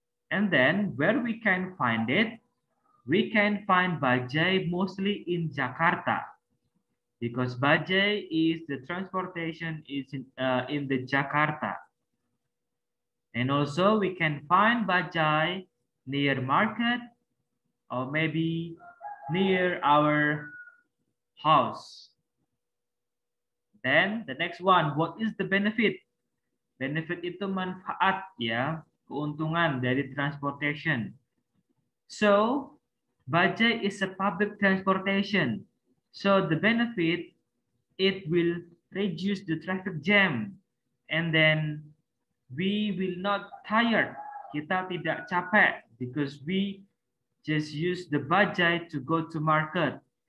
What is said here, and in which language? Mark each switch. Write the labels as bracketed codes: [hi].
[en] And then where we can find it? We can find bajaj mostly in Jakarta, because bajaj is the transportation is in the Jakarta. And also we can find bajaj near market or maybe near our house. Then the next one, what is the benefit? [id] Benefit itu manfaat ya, keuntungan dari transportation. [en] So bajaj is a public transportation. So the benefit, it will reduce the traffic jam. And then we will not tired. Kita tidak capek because we just use the bajaj to go to market.